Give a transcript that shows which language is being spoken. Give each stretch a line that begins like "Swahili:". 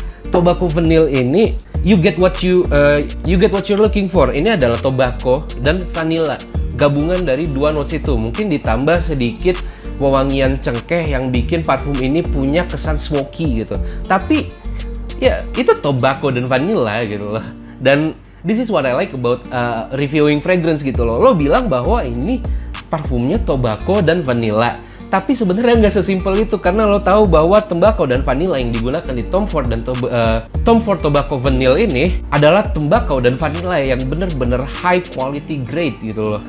English: Tobacco Vanille ini, you get what you're looking for.
Indonesian: Ini adalah tobacco dan vanilla, gabungan dari 2 notes itu, mungkin ditambah sedikit wewangian cengkeh yang bikin parfum ini punya kesan smoky gitu. Tapi ya itu tobacco dan vanilla gitu loh.
English: Dan this is what I like about reviewing fragrance
Indonesian: gitu loh. Lo bilang bahwa ini parfumnya tobacco dan vanilla, tapi sebenarnya nggak sesimpel itu, karena lo tahu bahwa tembakau dan vanila yang digunakan di Tom Ford dan Tom Ford Tobacco Vanille ini adalah tembakau dan vanila yang benar-benar high quality grade gitu loh.